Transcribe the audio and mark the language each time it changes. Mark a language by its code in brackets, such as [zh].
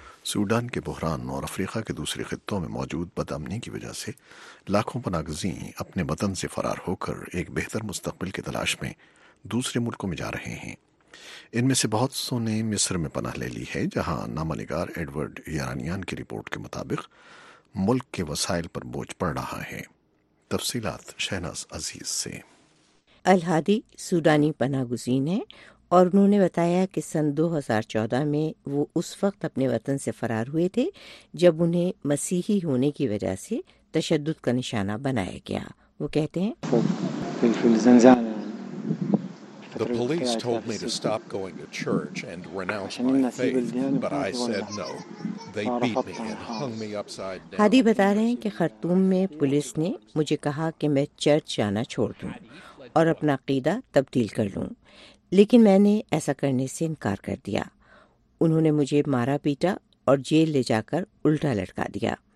[ur] Sudan کے بحران اور افریقہ کے دوسرے خطوں میں موجود بدامنی کی وجہ سے لاکھوں پناہ گزین اپنے وطن سے فرار ہو کر ایک بہتر مستقبل کی تلاش میں دوسرے ملکوں میں جا رہے ہیں۔ ان میں سے بہت سو نے مصر میں پناہ لے لی ہے، جہاں نامہ نگار ایڈورڈ یارانیان کی رپورٹ کے مطابق ملک کے وسائل پر بوجھ پڑ رہا ہے۔ تفصیلات شہناز عزیز سے۔ الہادی سوڈانی پناہ گزین ہیں اور انہوں نے بتایا کہ سن 2014 میں وہ اس وقت اپنے وطن سے فرار ہوئے تھے جب انہیں مسیحی ہونے کی وجہ سے تشدد کا نشانہ بنایا گیا۔ وہ کہتے ہیں، [en] The police told me to stop going to church and renounce my faith, but I said no. They beat me and hung me upside down. [ur] ہادی بتا رہے ہیں کہ خرطوم میں پولیس نے مجھے کہا کہ میں چرچ جانا چھوڑ دوں اور اپنا عقیدہ تبدیل کر لوں، لیکن میں نے ایسا کرنے سے انکار کر دیا۔ انہوں نے مجھے مارا پیٹا اور جیل لے جا کر الٹا لٹکا دیا۔